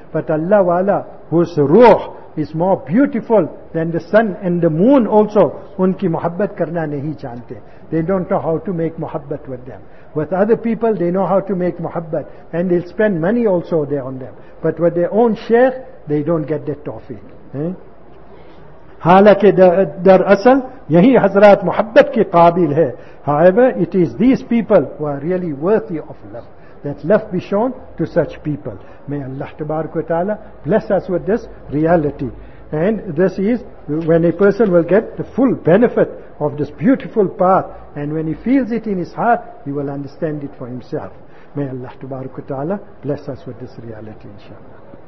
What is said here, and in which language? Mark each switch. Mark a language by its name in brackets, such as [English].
[English] But Allah wala, whose rooh is more beautiful than the sun and the moon also, [Urdu] unki muhabbat karna nahi jante. [English] They don't know how to make muhabbat with them. With other people, they know how to make muhabbat, and they'll spend money also there on them. But with their own sheikh, they don't get that tawfiq. [Urdu] حالانکہ در اصل یہی حضرات محبت کے قابل ہے. [English] However, it is these people who are really worthy of love. That love be shown to such people. May Allah tabarak wa ta'ala bless us with this reality. And this is when a person will get the full benefit of this beautiful path. And when he feels it in his heart, he will understand it for himself. May Allah tabarak wa ta'ala bless us with this reality, inshallah.